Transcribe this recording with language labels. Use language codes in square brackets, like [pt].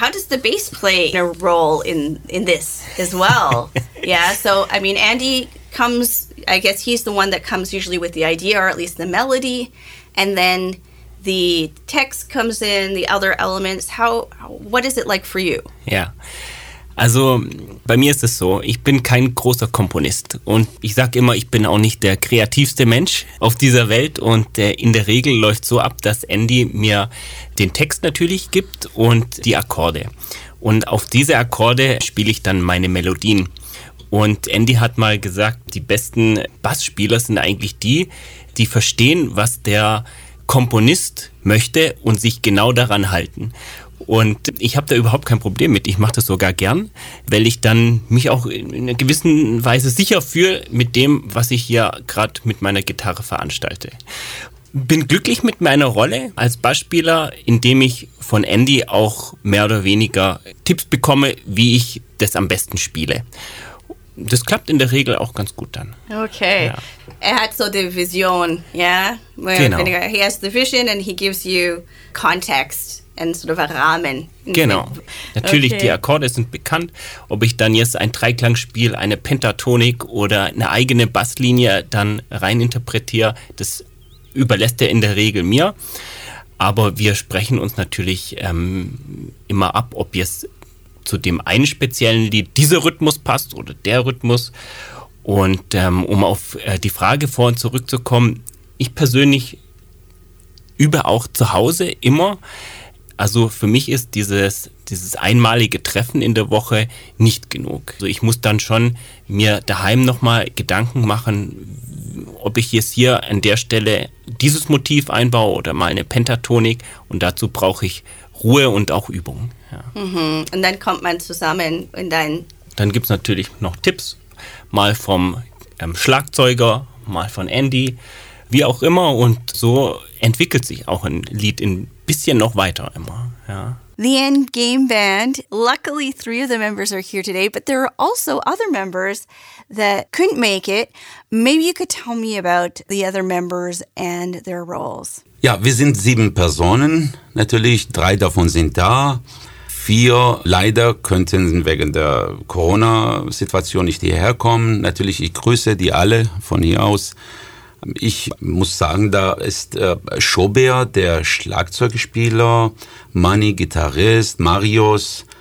[en] How does the bass play a role in this as well? Yeah, so, I mean, Andy comes, I guess he's the one that comes usually with the idea, or at least the melody, and then the text comes in, the other elements. What is it like for you? Yeah. [de] Also bei mir ist es so, ich bin kein großer Komponist und ich sage immer, ich bin auch nicht der kreativste Mensch auf dieser Welt und in der Regel läuft so ab, dass Andy mir den Text natürlich gibt und die Akkorde. Und auf diese Akkorde spiele ich dann meine Melodien. Und Andy hat mal gesagt, die besten Bassspieler sind eigentlich die, die verstehen, was der Komponist möchte und sich genau daran halten. Und ich habe da überhaupt kein Problem mit. Ich mache das sogar gern, weil ich dann mich auch in einer gewissen Weise sicher fühle mit dem, was ich hier gerade mit meiner Gitarre veranstalte. Bin glücklich mit meiner Rolle als Bassspieler, indem ich von Andy auch mehr oder weniger Tipps bekomme, wie ich das am besten spiele. Das klappt in der Regel auch ganz gut dann. Okay. Ja. Er hat so die Vision, ja? Genau. [en] He has the vision and he gives you context. [de] Ein [en] sort of a Rahmen. [de] Genau. Natürlich, okay. Die Akkorde sind bekannt. Ob ich dann jetzt ein Dreiklang spiele, eine Pentatonik oder eine eigene Basslinie dann reininterpretiere, das überlässt er in der Regel mir. Aber wir sprechen uns natürlich immer ab, ob jetzt zu dem einen speziellen Lied dieser Rhythmus passt oder der Rhythmus. Und um auf die Frage vorhin zurückzukommen, ich persönlich übe auch zu Hause immer. Also für mich ist dieses einmalige Treffen in der Woche nicht genug. Also ich muss dann schon mir daheim nochmal Gedanken machen, ob ich jetzt hier an der Stelle dieses Motiv einbaue oder mal eine Pentatonik. Und dazu brauche ich Ruhe und auch Übung. Ja. Mhm. Und dann kommt man zusammen und dann... Dann gibt es natürlich noch Tipps, mal vom Schlagzeuger, mal von Andy, wie auch immer. Und so entwickelt sich auch ein Lied in bisschen noch weiter immer, ja. [en] The End Game Band, luckily three of the members are here today, but there are also other members that couldn't make it. Maybe you could tell me about the other members and their roles. [de] Ja, wir sind 7 Personen, natürlich, 3 davon sind da. 4 leider könnten wegen der Corona-Situation nicht hierher kommen. Natürlich, ich grüße die alle von hier aus. Ich muss sagen, da ist Schobert, der Schlagzeugspieler, Manny, Gitarrist, Marius,